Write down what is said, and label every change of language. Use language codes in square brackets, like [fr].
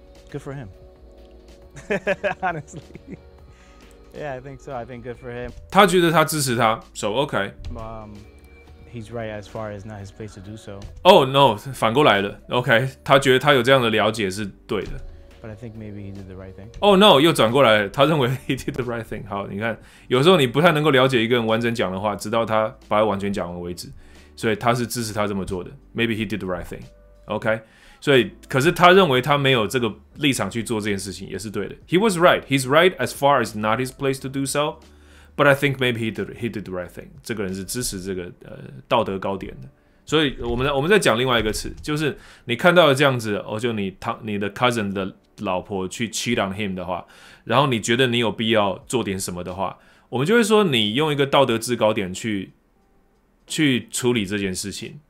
[en] Good for him. Honestly, yeah, I think so. I think good for him. [zh] 他觉得他支持他 ， [en] so okay. He's right as far as not his place to do so. Oh no, [zh] 反过来了 ，okay. 他觉得他有这样的了解是对的。 [en] But I think maybe he did the right thing. Oh no, [zh] 又转过来，他认为 [en] he did the right thing。 [zh] 好，你看，有时候你不太能够了解一个人完整讲的话，直到他把它完全讲完为止。所以他是支持他这么做的。 [en] Maybe he did the right thing。 [zh] OK， 所以可是他认为他没有这个立场去做这件事情也是对的。 [en] He was right. He's right as far as not his place to do so. But I think maybe he did the right thing。 [zh] 这个人是支持这个道德高点的。所以我们再讲另外一个词，就是你看到了这样子，哦，就你的 cousin 的老婆去 [en] cheat on him [zh] 的话，然后你觉得你有必要做点什么的话，我们就会说你用一个道德制高点去处理这件事情。